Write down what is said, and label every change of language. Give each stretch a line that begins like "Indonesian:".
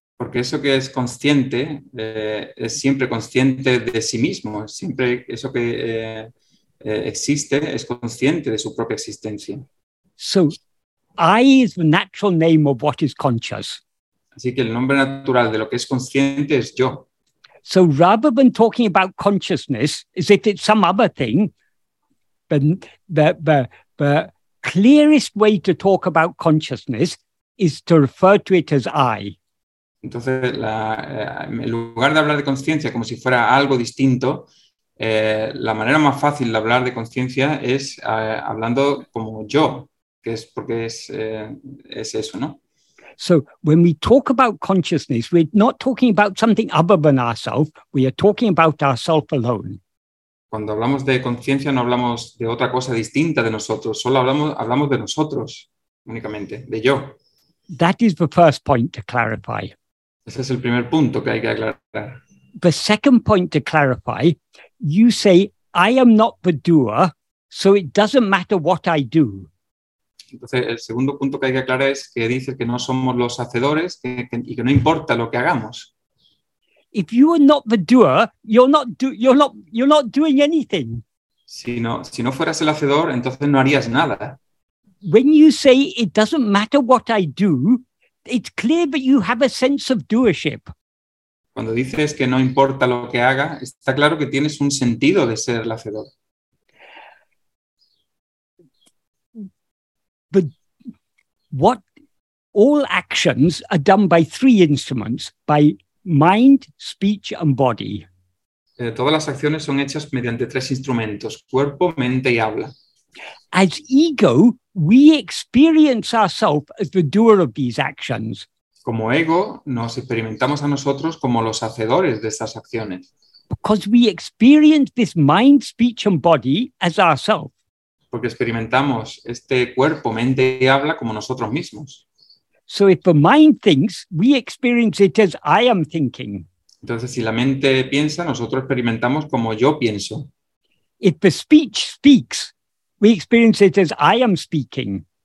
Spanish: Porque eso que es consciente es siempre consciente de sí mismo. Siempre eso que existe es consciente de su propia existencia.
English: So, I is the natural name of what is conscious.
Spanish: Así que el nombre natural de lo que es consciente es yo.
English: So rather than talking about consciousness as if it's some other thing, the clearest way to talk about consciousness is to refer to it as I.
Spanish: Entonces, en lugar de hablar de consciencia como si fuera algo distinto, la manera más fácil de hablar de consciencia es hablando como yo. Que es porque es eso, ¿no?
English: So when we talk about consciousness, we're not talking about something other than ourselves. We are talking about ourselves alone.
Spanish: Cuando hablamos de conciencia, no hablamos de otra cosa distinta de nosotros. Solo hablamos de nosotros únicamente, de yo.
English: That is the first point to clarify.
Spanish: Ese es el primer punto que hay que aclarar.
English: The second point to clarify, you say I am not the doer, so it doesn't matter what I do.
Spanish: Entonces, el segundo punto que hay que aclarar es que dices que no somos los hacedores y que no importa lo que hagamos.
English: If you are not the doer, you're not doing anything.
Spanish: Si no fueras el hacedor, entonces no harías nada.
English: When you say it doesn't matter what I do, it's clear that you have a sense of doership.
Spanish: Cuando dices que no importa lo que haga, está claro que tienes un sentido de ser el hacedor.
English: What all actions are done by three instruments, by mind, speech, and body.
Spanish: Todas las acciones son hechas mediante tres instrumentos, cuerpo, mente y habla.
English: As ego, we experience ourselves as the doer of these actions.
Spanish: Como ego, nos experimentamos a nosotros como los hacedores de estas acciones.
English: Because we experience this mind, speech, and body as ourselves.
Spanish: Porque experimentamos este cuerpo, mente y habla como nosotros mismos.
English: So if the mind thinks, we experience it as I am thinking.
Spanish: Entonces, si la mente piensa, nosotros experimentamos como yo pienso.
English: If the speech speaks, we experience it as I am speaking.